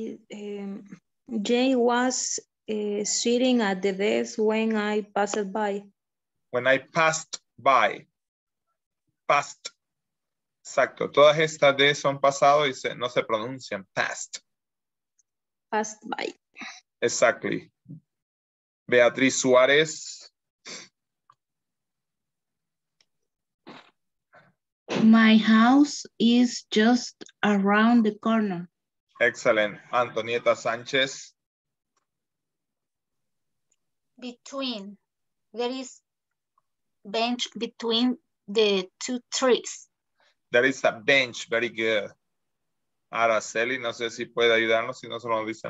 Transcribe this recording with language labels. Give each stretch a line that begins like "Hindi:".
English: Jay was sitting at the desk when I passed by. When I passed by. Passed.
Spanish: Exacto. Todas estas D son pasado y no se pronuncian.
English: Passed. Passed by. Exactly. Beatriz Suárez. My house is just around the corner. Excellent. Antonieta Sánchez. Between. There is a bench between the two trees. There is a bench. Very good.
Spanish: Araceli, no sé si puede ayudarnos, si no se lo dice.